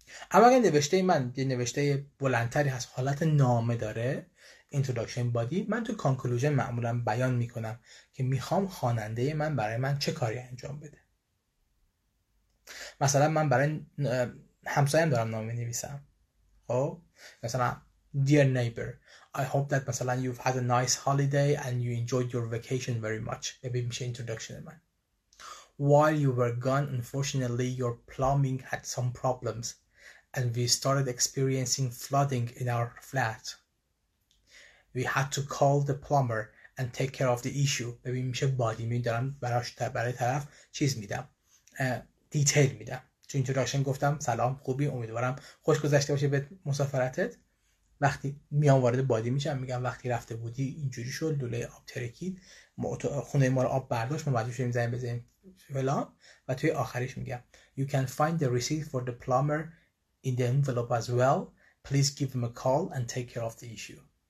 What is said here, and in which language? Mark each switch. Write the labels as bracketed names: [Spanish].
[Persian] اما اگر نوشته من یه نوشته بلندتری هست، حالت نامه داره، اینتروداکشن بادی، من تو کانکلوژن معمولاً بیان میکنم که میخوام خواننده من برای من چه کاری انجام بده. مثلا من برای همسایه‌ام دارم نامه می‌نویسم. خب مثلا [English] Dear neighbor, I hope that [Persian] مثلا [English] you've had a nice holiday and you enjoyed your vacation very much. [Persian] ببین میشه introduction من. [English] While you were gone, unfortunately, your plumbing had some problems and we started experiencing flooding in our flat. We had to call the plumber and take care of the issue. [Persian] ببین میشه body. میدارم برای طرف چیز میدم. Detail میدم. تو introduction گفتم سلام خوبی، امیدوارم خوش گذشته باشه به مسافرتت. وقتی میام وارد بادی میشم میگم وقتی رفته بودی اینجوری شد، لوله آب ترکید، خونه ما رو آب برداشت، ما مجبور شدیم زنگ بزنیم فلان. و توی آخرش میگم [English] You can find the receipt for the plumber in the envelope as well. Please give him a call and take care of the issue.